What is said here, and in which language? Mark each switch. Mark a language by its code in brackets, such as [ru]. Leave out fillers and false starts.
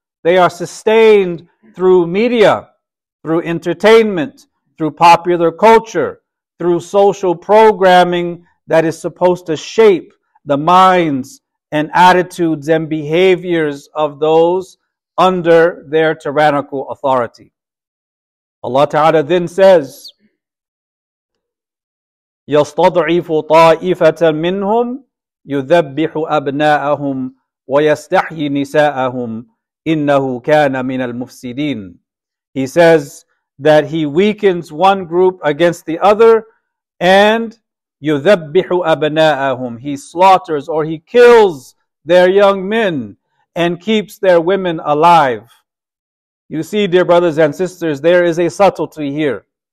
[en] They are sustained through media, through entertainment, through popular culture, through social programming that is supposed to shape the minds and attitudes and behaviors of those under their tyrannical authority. Allah Ta'ala then says, [ar] يَسْتَضْعِفُ طَائِفَةً مِّنْهُمْ يُذَبِّحُ أَبْنَاءَهُمْ وَيَسْتَحْيِ نِسَاءَهُمْ إِنَّهُ كَانَ مِنَ الْمُفْسِدِينَ. [en] He says that he weakens one group against the other, and [ar] يُذَبِّحُ أَبْنَاءَهُمْ, [en] he slaughters or he kills their young men and keeps their women alive. You see, dear brothers and sisters, there is a subtlety here.